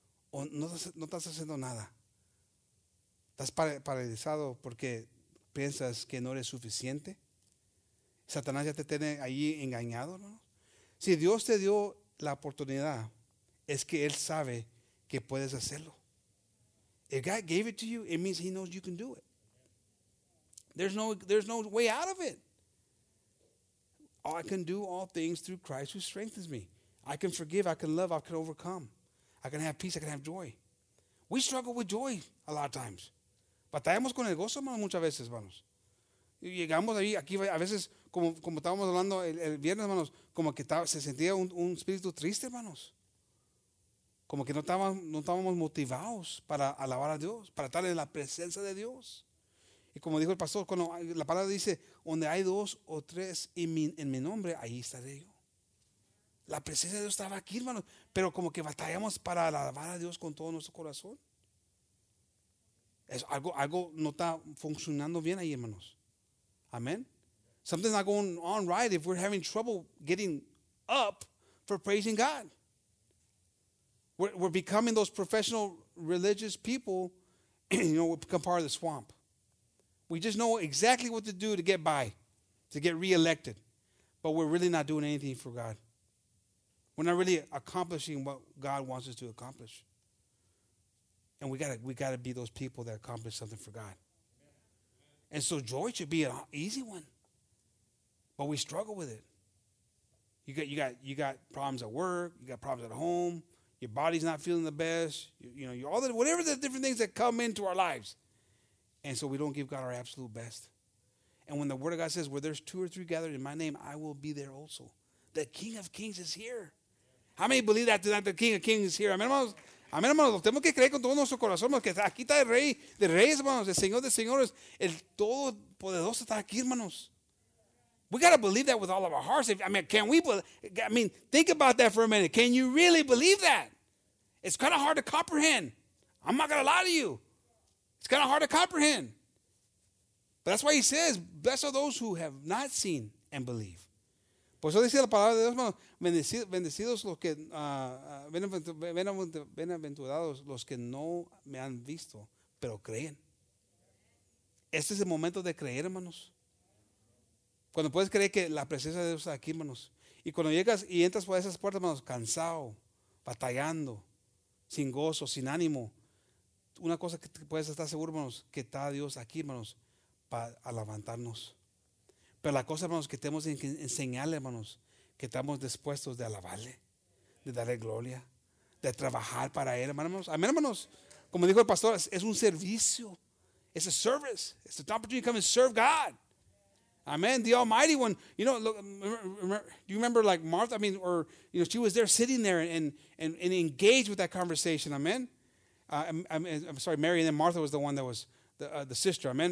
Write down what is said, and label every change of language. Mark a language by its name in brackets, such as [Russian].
[Spanish] ¿O no estás haciendo nada? ¿Estás paralizado porque piensas que no eres suficiente? ¿Satanás ya te tiene ahí engañado, hermano? Si Dios te dio la oportunidad, es que Él sabe que puedes hacerlo. [English] If God gave it to you, it means He knows you can do it. There's no way out of it. I can do all things through Christ who strengthens me. I can forgive, I can love, I can overcome. I can have peace, I can have joy. We struggle with joy a lot of times. [Spanish] Batallamos con el gozo, hermano, muchas veces, hermanos. Llegamos ahí, aquí, a veces, como estábamos hablando el viernes, hermanos, como que se sentía un espíritu triste, hermanos. Como que no estábamos motivados para alabar a Dios, para estar en la presencia de Dios. Y como dijo el pastor, cuando la palabra dice, donde hay dos o tres en mi nombre, ahí estaré yo. La presencia de Dios estaba aquí, hermanos, pero como que batallamos para alabar a Dios con todo nuestro corazón. Es algo no está funcionando bien ahí, hermanos. Amén. [English] Something's not going on right if we're having trouble getting up for praising God. We're becoming those professional religious people, you know, we become part of the swamp. We just know exactly what to do to get by, to get reelected, but we're really not doing anything for God. We're not really accomplishing what God wants us to accomplish. And we gotta be those people that accomplish something for God. And so joy should be an easy one. But we struggle with it. You got problems at work, you got problems at home, your body's not feeling the best, whatever the different things that come into our lives. And so we don't give God our absolute best. And when the Word of God says, where there's two or three gathered in my name, I will be there also. The King of Kings is here. How many believe that tonight? The King of Kings is here. [Spanish] Amén, hermanos. Tenemos que creer con todo nuestro corazón, hermanos, que aquí está el Rey de Reyes, hermanos, el Señor de Señores, el Todopoderoso está aquí, hermanos. [English] We got to believe that with all of our hearts. Think about that for a minute. Can you really believe that? It's kind of hard to comprehend. I'm not going to lie to you. It's kind of hard to comprehend. But that's why he says, blessed are those who have not seen and believe. [Spanish] Por eso dice la palabra de Dios, hermanos, bendecidos los que, bienaventurados los que no me han visto, pero creen. Este es el momento de creer, hermanos. Cuando puedes creer que la presencia de Dios está aquí, hermanos. Y cuando llegas y entras por esas puertas, hermanos, cansado, batallando, sin gozo, sin ánimo. Una cosa que puedes estar seguro, hermanos, que está Dios aquí, hermanos, para levantarnos. Pero la cosa, hermanos, que tenemos que enseñarle, hermanos, que estamos dispuestos de alabarle, de darle gloria, de trabajar para Él, hermanos. Amén, hermanos. Como dijo el pastor, es un servicio. [English] It's a service. It's an opportunity to come and serve God. Amen. The Almighty One. You know, look, you remember like Martha? I mean, or, you know, she was there sitting there and engaged with that conversation. Amen. I'm sorry, Mary, and then Martha was the one that was the sister. Amen.